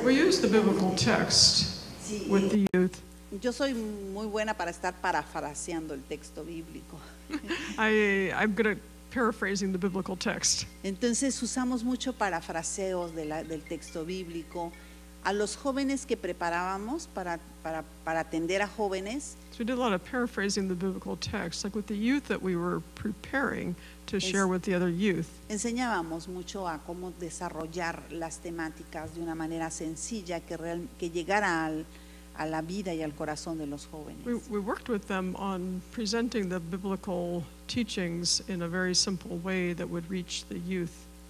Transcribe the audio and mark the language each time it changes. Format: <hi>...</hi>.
<en>we use the biblical text sí, with the youth.</en> <es>Yo soy muy buena para estar parafraseando el texto bíblico.</es> <en>I'm good at paraphrasing the biblical text.</en> <es>Entonces usamos mucho parafraseos del texto bíblico. A los jóvenes que preparábamos para atender a jóvenes.</es> <en>So we did a lot of paraphrasing the biblical text, like with the youth that we were preparing to share with the other youth.</en> <es>Enseñábamos mucho a cómo desarrollar las temáticas de una manera sencilla que llegara a la vida y al corazón de los jóvenes.</es> <en>We worked with them on presenting the biblical teachings in a very simple way that would reach the youth.</en>